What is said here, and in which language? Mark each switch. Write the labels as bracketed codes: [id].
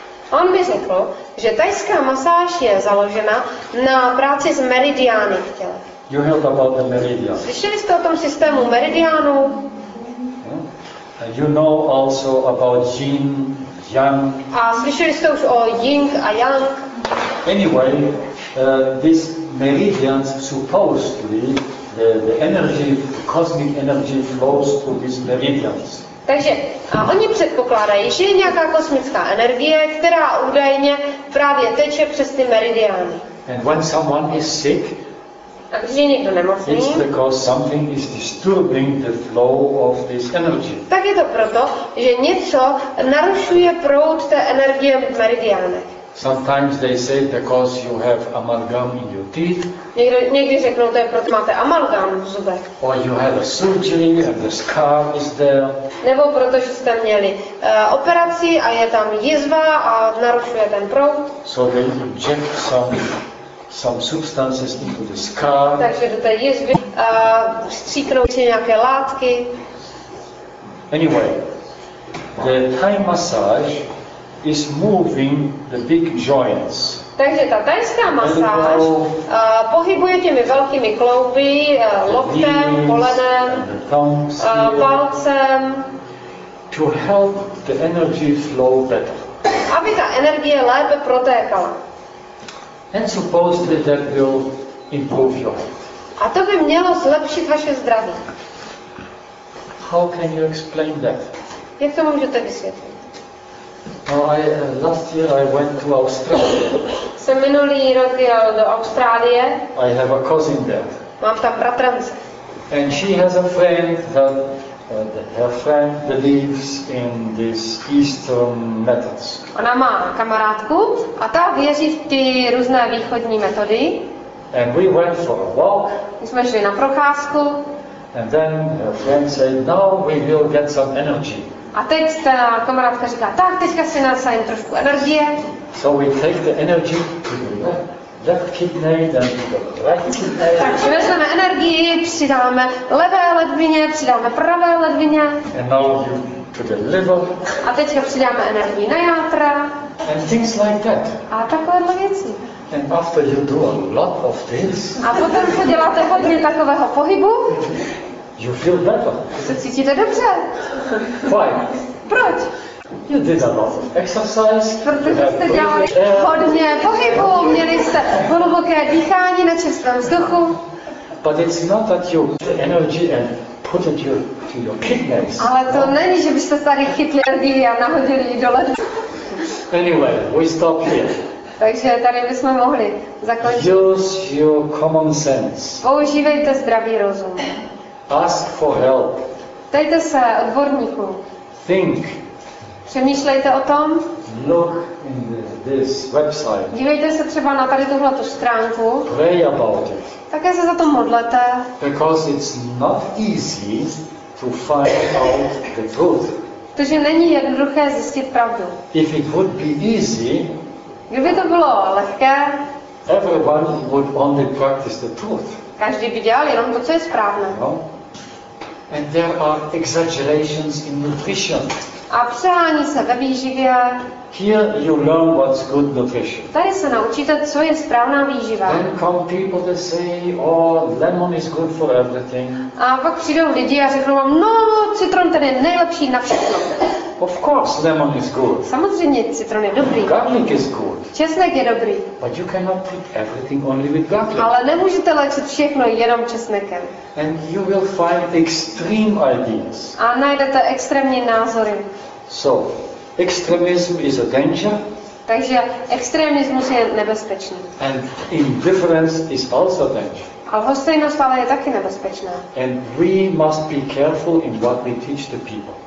[cs] On mi řekl, že thajská masáž je založena na práci s meridiány v těle. [en] You heard about the meridians. [cs] Slyšeli jste o tom systému meridianů? [en] You know also about yin, yang. [cs] A slyšeli jste už o yin a yang? [en] Anyway, these meridians supposedly the energy, the cosmic energy flows through these meridians. [cs] Takže a oni předpokládají, že je nějaká kosmická energie, která údajně právě teče přes ty meridiany. [en] And when someone is sick, [cs] a když je někdo nemocný, [en] it's because something is disturbing the flow of this energy. [cs] Tak je to proto, že něco narušuje proud té energie v meridianech. [en] Sometimes they say because you have amalgam in your teeth. [cs] Někdy řeknou, to je proto, máte amalgam v zubech. [en] Or you had a surgery and the scar is there. [cs] Nebo protože jste měli operaci a je tam jizva a narušuje ten proud. [en] So they inject some substances into the scar. [cs] Takže do té jizvy stříknou si nějaké látky. [en] Anyway, the Thai massage is moving the big joints. [cs] Takže ta thajská masáž pohybuje těmi velkými klouby, loktem, kolenem, palcem. [en] To help the energy flow better. [cs] Aby ta energie lépe protékala. [en] And supposedly that will improve your health. [cs] A to by mělo zlepšit vaše zdraví. [en] How can you explain that? [cs] Jak to můžete vysvětlit? [en] No, last year I went to Australia. [cs] Jsem minulý rok jel do Austrálie. [en] I have a cousin there. [cs] Mám tam bratrance. [en] And she has a friend that her friend believes in these Eastern methods. [cs] Ona má kamarádku a ta věří v ty různé východní metody. [en] And we went for a walk. [cs] My jsme šli na procházku. [en] And then her friend said, now we will get some energy. [cs] A teď ta kamarádka říká, tak teďka si nasajím trošku energie. [en] So we take the energy to the left kidney, then to the right kidney. [cs] Takže vezmeme energii, přidáme levé ledvině, přidáme pravé ledvině. [en] And now to the liver. [cs] A teďka přidáme energii na játra. [en] And things like that. [cs] A takovéhle věci. [en] And after you do a lot of this. [cs] A potom, co děláte hodně takového pohybu. [en] You feel better. [cs] Se cítíte dobře. [en] Why? [cs] Proč? [en] You did a lot of exercise. [cs] Protože jste dělali hodně pohybu, měli jste hluboké dýchání na čerstvém vzduchu. [en] But it's not that you put energy and put it to your kidneys. [cs] Ale to není, že byste tady chytli energii a nahodili ji do ledu. [en] Anyway, we stop here. [cs] Takže tady bychom mohli zakončit. [en] Use your common sense. [cs] Používejte zdravý rozum. [en] Ask for help. [cs] Ptejte se odborníku. [en] Think. [cs] Přemýšlejte o tom. [en] Look in this website. [cs] Dívejte se třeba na tady tuhle tu stránku. [en] Pray about it. [cs] Také se za to modlete. [en] Because it's not easy to find out the truth. [cs] Protože není jednoduché zjistit pravdu. [en] If it would be easy, [cs] kdyby to bylo lehké, [en] everyone would only practice the truth. [cs] Každý by dělal jenom to, co je správné. [en] No. And there are exaggerations in nutrition. [cs] A přehání se ve výživě. [en] Here you learn what's good nutrition. [cs] Tady se naučíte, co je správná výživa. [en] Then come people that say, oh, lemon is good for everything. [cs] A pak přijdou lidi a řeknou vám, no, citron ten je nejlepší na všechno. [en] Of course, lemon is good. [cs] Samozřejmě, citron je dobrý. [en] Garlic is good. [cs] Česnek je dobrý. [en] But you cannot treat everything only with garlic. [cs] Ale nemůžete léčit všechno jenom česnekem. [en] And you will find extreme ideas. [cs] A najdete extrémní názory. [en] So, extremism is a danger. [cs] Takže extremismus je nebezpečný. [en] And indifference is also a danger. [cs] A lhostejnost ale je taky nebezpečná. [en] And we must be careful in what we teach the people.